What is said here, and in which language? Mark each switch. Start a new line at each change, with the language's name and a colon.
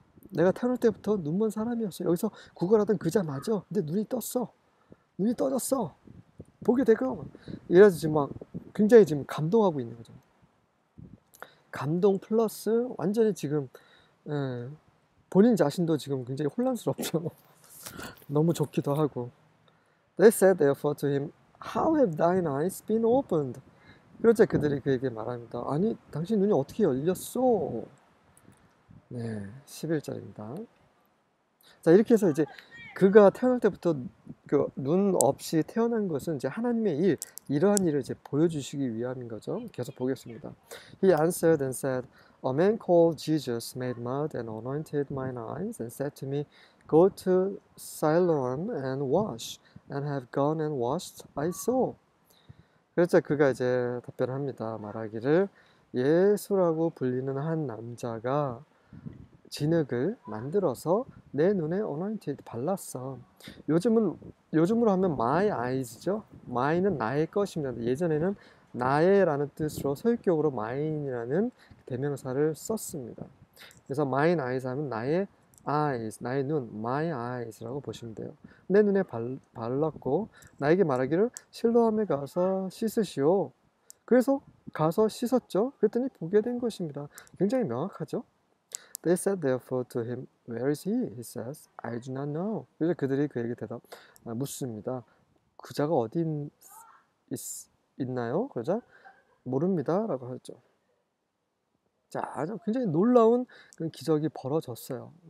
Korean: 내가 태어날 때부터 눈먼 사람이었어. 여기서 구걸하던 그자 맞아. 근데 눈이 떴어. 눈이 떠졌어. 보게 되고. 이래서 지금 막 굉장히 지금 감동하고 있는 거죠. 감동 플러스 완전히 지금, 본인 자신도 지금 굉장히 혼란스럽죠. 너무 좋기도 하고.
English: They said therefore to him, How have thine eyes been opened?
Korean: 그러자 그들이 그에게 말합니다. 아니, 당신 눈이 어떻게 열렸어? 네, 11절입니다. 자, 이렇게 해서 이제 그가 태어날 때부터 그눈 없이 태어난 것은 이제 하나님의 일, 이러한 일을 이제 보여주시기 위함인 거죠. 계속 보겠습니다.
English: He answered and said, A man called Jesus made mud and anointed mine eyes and said to me, Go to Siloam and wash, and have gone and washed, I saw.
Korean: 그래서 그가 이제 답변을 합니다. 말하기를 예수라고 불리는 한 남자가 진흙을 만들어서 내 눈에 anointed 발랐어. 요즘으로 하면 my eyes죠. my는 나의 것입니다. 예전에는 나의라는 뜻으로 소유격으로 mine이라는 대명사를 썼습니다. 그래서 mine eyes 하면 나의 eyes, 나의 눈, my eyes라고 보시면 돼요. 내 눈에 발랐고 나에게 말하기를 실로암에 가서 씻으시오. 그래서 가서 씻었죠. 그랬더니 보게 된 것입니다. 굉장히 명확하죠.
English: They said therefore to him, Where is he? He says, I do not know.
Korean: 그래서 그들이 그에게 대답, 묻습니다. 그 자가 어디 있나요? 그러자, 모릅니다. 라고 하죠. 자, 아주 굉장히 놀라운 그 기적이 벌어졌어요.